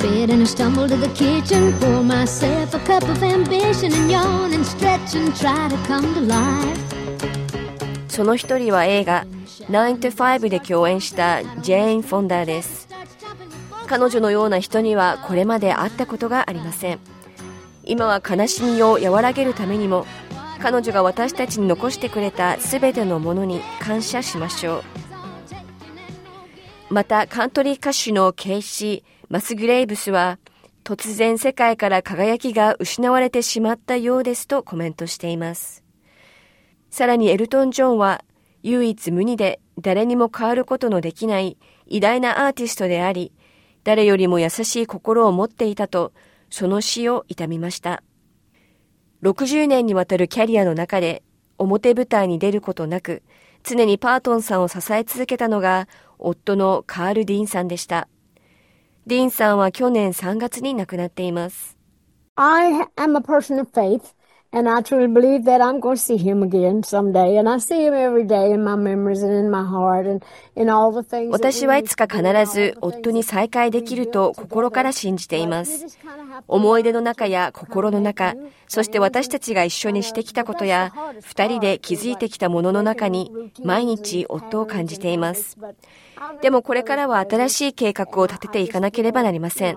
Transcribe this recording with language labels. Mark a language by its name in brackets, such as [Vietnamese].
[English] And I stumble to the kitchen, pour myself a cup of ambition, and yawn and stretch and try to come to life. [Japanese] その一人は映画 Nine to Five で共演したジェーン・フォンダーです。彼女のような人にはこれまで会ったことがありません。今は悲しみを和らげるためにも、彼女が私たちに残してくれたすべてのものに感謝しましょう。またカントリー歌手のケイシー・マスグレイブスは、突然世界から輝きが失われてしまったようですとコメントしています。さらにエルトン・ジョンは、唯一無二で誰にも変わることのできない偉大なアーティストであり、誰よりも優しい心を持っていたと、その死を悼みました。 60年にわたるキャリアの中で、表舞台に出ることなく、常にパートンさんを支え続けたのが、夫のカール・ディーンさんでした。ディーンさんは去年3月に亡くなっています。 [English] I am a person of faith, and I truly believe that I'm going to see him again someday, and I see him every day in my memories and in my heart, and in all the things. [Japanese] 私はいつか必ず夫に再会できると心から信じています。思い出の中や心の中、そして私たちが一緒にしてきたことや、二人で築いてきたものの中に、毎日夫を感じています。でもこれからは新しい計画を立てていかなければなりません。